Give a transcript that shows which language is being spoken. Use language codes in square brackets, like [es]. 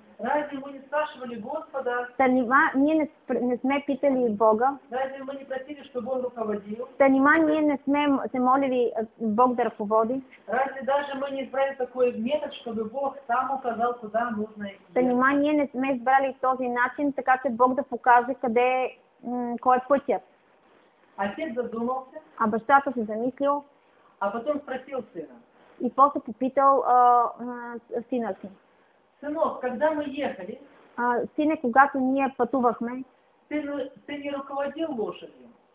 [ru] Разве мы не спрашивали Господа? [bg] Та нема, ние не сме питали Бога. [ru] Разве мы не просили, чтобы Он руководил? [bg] Та нема, ние не сме се молили Бог да ръководи. [ru] Разве даже мы не избрали такой метод, чтобы Бог сам указал, куда нужно идти? [bg] Та нема, ние не сме избрали този начин, така че Бог да покаже къде е, кой е пътят. [ru] Отец задумался. [bg] А бащата се замислил. [ru] А потом спросил сына. [bg] И после попитал сина си. [ru] Сынок, когда мы ехали? [bg] Сине, когато ние пътувахме. [ru] Ты не руководил лошадью?